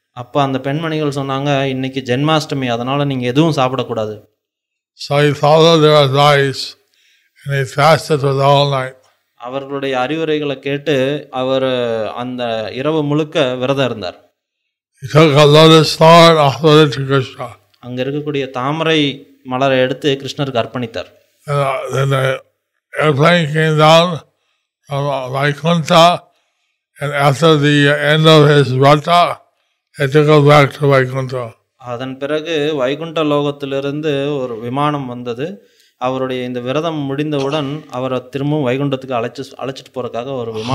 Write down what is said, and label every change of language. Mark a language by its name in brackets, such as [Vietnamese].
[Tamil] அப்ப அந்த பெண்மணிகள் சொன்னாங்க, இன்னைக்கு ஜென்மாஷ்டமி, அதனால நீங்க எதுவும் சாப்பிடக்கூடாது. [English] So he followed their advice and he fasted for the whole night. [Tamil] அவர்களுடைய அறிவுரைகளை கேட்டு அவர் அந்த இரவு முழுக்க விரதம் இருந்தார். [English] He took a lotus flower and offered it to Krishna. [Tamil] அங்க இருக்கக்கூடிய தாமரை மலரை எடுத்து கிருஷ்ணருக்கு அர்ப்பணித்தார். [English] Then the airplane came down from Vaikuntha and after the end of his vrata, he took it back to Vaikuntha. [Tamil] அதன் பிறகு வைகுண்ட லோகத்திலிருந்து ஒரு விமானம் வந்தது. அவருடைய இந்த விரதம் முடிந்தவுடன் அவரை திரும்பவும் வைகுண்டத்துக்கு அழைச்சிட்டு போறதுக்காக ஒரு